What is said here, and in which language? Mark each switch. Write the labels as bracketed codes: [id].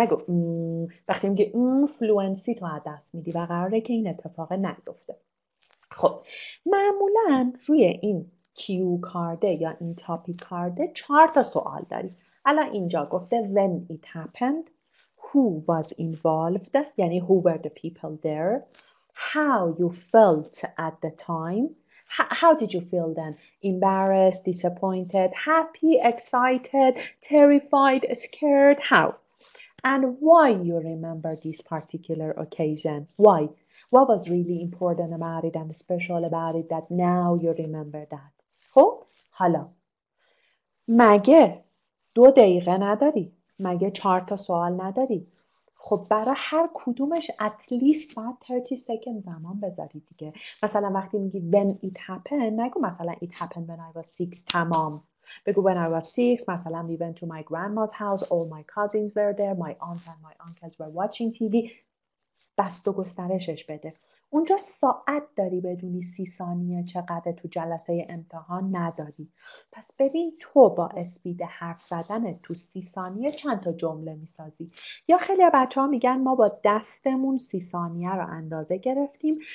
[fa] نگو وقتی میگه fluency تو دست میدی و قراره که این اتفاق نیفته. خب معمولا روی این کیو کارده یا این تاپیک کارده 4 تا سوال داری. الان اینجا گفته [en] when it happened, who was involved [fa] یعنی [en] who were the people there, how you felt at the time, how did you feel then, embarrassed, disappointed, happy, excited, terrified, scared, how and why you remember this particular occasion, why, what was really important about it and special about it that now you remember that. [fa] خب حالا مگه 2 دقیقه نداری؟ مگه 4 تا سوال نداری؟ خب برای هر کدومش اتلیست باید 30 سکند زمان بذاری دیگه. مثلا وقتی میگی [en] when it happened [fa] نگو مثلا [en] it happened when I was 6 [fa] تمام. بگو [en] when I was 6 [fa] مثلا [en] we went to my grandma's house, all my cousins were there, my aunt and my uncles were watching TV. [fa] بست و گسترشش بده. اونجا ساعت داری بدونی 30 ثانیه چقدر تو جلسه امتحان نداری. پس ببین تو با اسپید حرف زدن تو 30 ثانیه چند تا جمله میسازی. یا خیلی بچه ها میگن ما با دستمون 30 ثانیه رو اندازه گرفتیم.